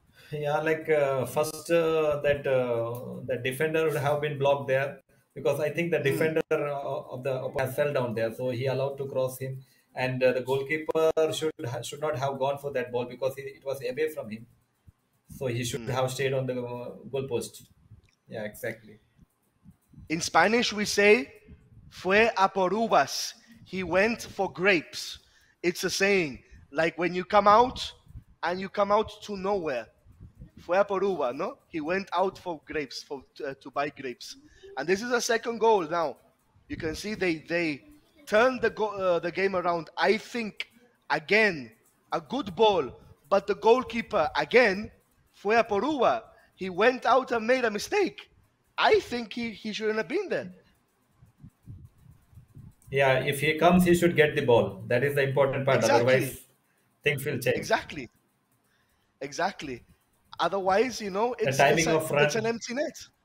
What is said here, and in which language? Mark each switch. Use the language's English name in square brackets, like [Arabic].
[English] Yeah, like first that defender would have been blocked there, because I think the defender of the opponent fell down there, so he allowed to cross him, and the goalkeeper should not have gone for that ball, because it was away from him, so he should have stayed on the goalpost. Yeah, exactly. In Spanish, we say [Spanish] "fue a por uvas." [English] He went for grapes. It's a saying, like when you come out and you come out to nowhere. [Spanish] Fue a por uva, no? [English] He went out for grapes, to buy grapes. And this is a second goal now. You can see they turned the game around. I think, again, a good ball. But the goalkeeper, again, [Spanish] fue a por uva. [English] He went out and made a mistake. I think he shouldn't have been there. Yeah, if he comes, he should get the ball. That is the important part. Exactly. Otherwise, things will change. Exactly. Exactly. Otherwise, you know, it's an empty net.